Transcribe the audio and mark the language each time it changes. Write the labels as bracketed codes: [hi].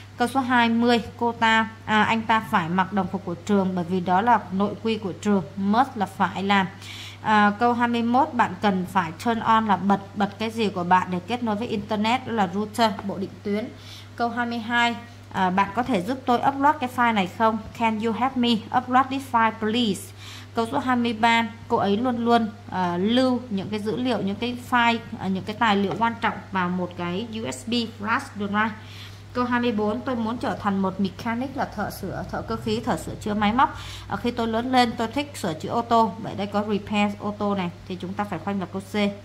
[vi] Câu số 20, anh ta phải mặc đồng phục của trường bởi vì đó là nội quy của trường, must là phải làm. Câu 21, bạn cần phải turn on là bật cái gì của bạn để kết nối với internet, đó là router, bộ định tuyến. Câu 22, bạn có thể giúp tôi upload cái file này không? [en] Can you help me upload this file please? [vi] Câu số 23, cô ấy luôn luôn lưu những cái dữ liệu, những cái file, những cái tài liệu quan trọng vào một cái USB flash drive. Câu 24, tôi muốn trở thành một mechanic, là thợ sửa, thợ cơ khí, thợ sửa chữa máy móc. Khi tôi lớn lên, tôi thích sửa chữa ô tô. Vậy đây có repair ô tô này, thì chúng ta phải khoanh vào câu C.